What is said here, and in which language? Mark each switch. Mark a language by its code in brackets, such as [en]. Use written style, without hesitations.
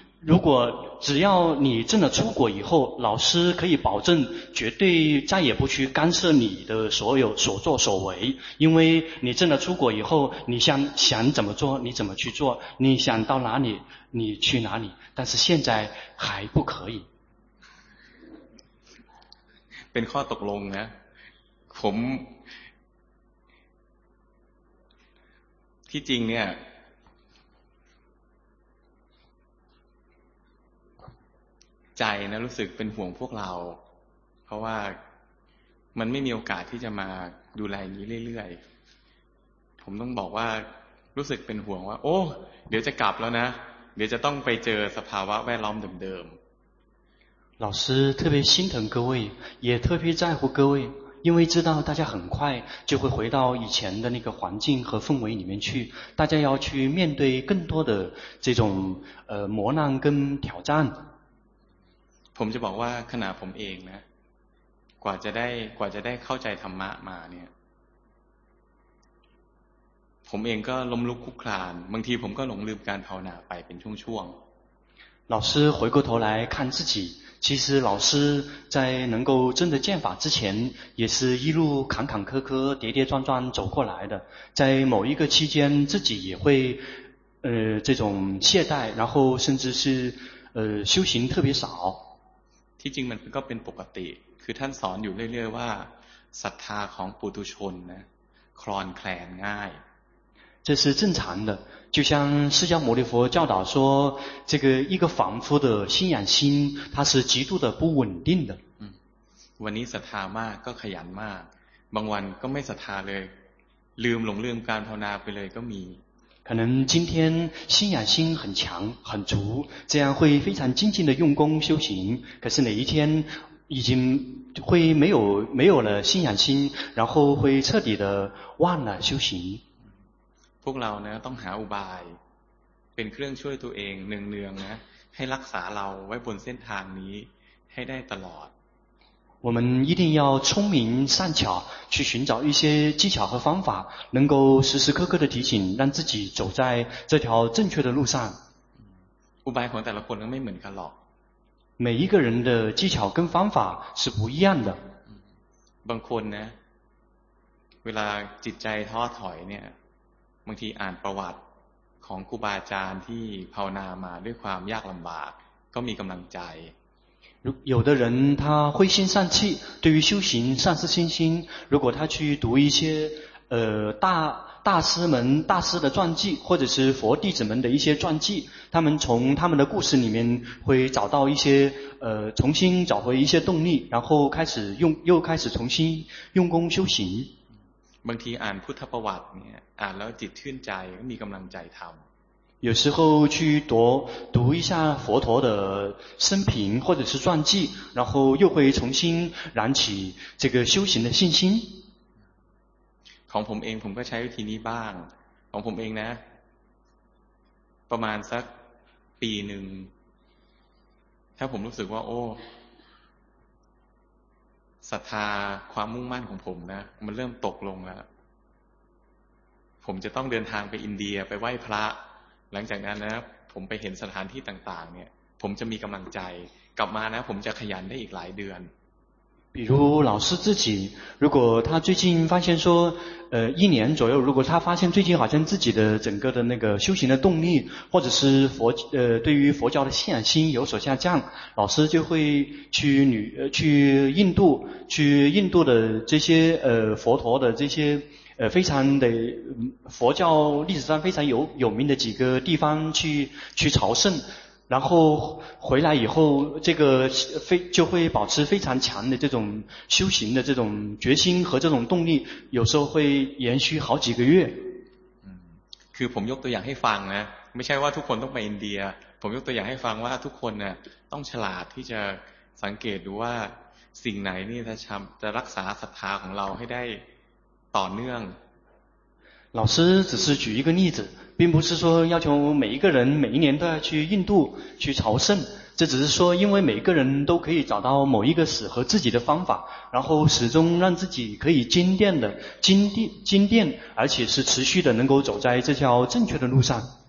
[zh] 如果只要你正了出果以后，老师可以保证绝对再也不去干涉你的所有所作所为。因为你正了出果以后，你想怎么做你怎么去做，你想到哪里你去哪里，但是现在还不可以。 [th] เป็นข้อตกลงนะผมที่จริงเนี่ยใจนะรู้สึกเป็นห่วงพวกเราเพราะว่ามันไม่มีโอกาสที่จะมาดูแลนี้เรื่อยๆผมต้องบอกว่ารู้สึกเป็นห่วงว่าโอ้เดี๋ยวจะกลับแล้วนะเดี๋ยวจะต้องไปเจอสภาวะแวดล้อมเดิม [zh] ๆ老师特别心疼各位，也特别在乎各位，因为知道大家很快就会回到以前的那个环境和氛围里面去，大家要去面对更多的这种磨难跟挑战。 [th] ผมจะบอกว่าขณะผมเองนะกว่าจะได้เข้าใจธรรมะมาเนี่ยผมเองก็ล้มลุกคลุกคลานบางทีผมก็หลงลืมการภาวนาไปเป็นช่วง [zh] ๆ老师回过头来看自己，其实老师在能够真的见法之前，也是一路坎坎坷坷、跌跌撞撞走过来的。在某一个期间，自己也会这种懈怠，然后甚至是修行特别少。 [th] ที่จริงมันก็เป็นปกติคือท่านสอนอยู่เรื่อยๆว่าศรัทธาของปุถุชนนะคลอนแคลนง่าย [zh] 这是正常的就像释迦牟尼佛教导说这个一个凡夫的信仰心它是极度的不稳定的 [th] วันนี้ศรัทธามากก็ขยันมากบางวันก็ไม่ศรัทธาเลยลืมหลงลืมการภาวนาไปเลยก็มี [zh] 可能今天信仰心很强很足，这样会非常精进的用功修行，可是哪一天已经会没有了信仰心，然后会彻底的忘了修行。 [th] พวกเราเนี่ยต้องหาอุบายเป็นเครื่องช่วยตัวเองเนืองๆนะให้รักษาเราไว้บนเส้นทางนี้ให้ได้ตลอด [zh] 我们一定要聪明善巧，去寻找一些技巧和方法，能够时时刻刻的提醒，让自己走在这条正确的路上。 [th] อุบายของแต่ละคนก็ไม่เหมือนกันหรอก [zh] 每一个人的技巧跟方法是不一样的。 [th] บางคนนะเวลาจิตใจท้อถอยเนี่ยบางทีอ่านประวัติของครูบาอาจารย์ที่ภาวนามาด้วยความยากลำบากก็มีกำลังใจ [zh] 有的人他灰心丧气，对于修行丧失信心。如果他去读一些大师们大师的传记，或者是佛弟子们的一些传记，他们从他们的故事里面会找到一些重新找回一些动力，然后开始用又开始重新用功修行。 [th] บางทีอ่านพุทธประวัติเนี่ยอ่านแล้วจิตชื่นใจมีกำลังใจทำ [zh] 有时候去读一下佛陀的生平或者是传记，然后又会重新燃起这个修行的信心。 [th] ของผมเองผมก็ใช้วิธีนี้บ้างของผมเองนะประมาณสักปีหนึ่งถ้าผมรู้สึกว่าโอ้ศรัทธาความมุ่งมั่นของผมนะมันเริ่มตกลงแล้วผมจะต้องเดินทางไปอินเดียไปไหว้พระหลังจากนั้นนะผมไปเห็นสถานที่ต่างๆเนี่ยผมจะมีกำลังใจกลับมานะผมจะขยันได้อีกหลายเดือน [zh] 比如老师自己，如果他最近发现说，一年左右，如果他发现最近好像自己的整个的那个修行的动力，或者是佛对于佛教的信仰心有所下降，老师就会去印度的这些佛陀的这些非常的佛教历史上非常有名的几个地方去朝圣，然后回来以后，这个就会保持非常强的这种修行的这种决心和这种动力，有时候会延续好几个月。 [th] คือผมยกตัวอย่างให้ฟังนะไม่ใช่ว่าทุกคนต้องไปอินเดียผมยกตัวอย่างให้ฟังว่าทุกคนเนี่ยต้องฉลาดที่จะสังเกตดูว่าสิ่งไหนนี่จะรักษาศรัทธาของเราให้ได้ต่อเนื่อง [zh] 老师只是举一个例子，并不是说要求每一个人每一年都要去印度去朝圣，这只是说因为每一个人都可以找到某一个适合自己的方法，然后始终让自己可以精进，而且是持续的能够走在这条正确的路上。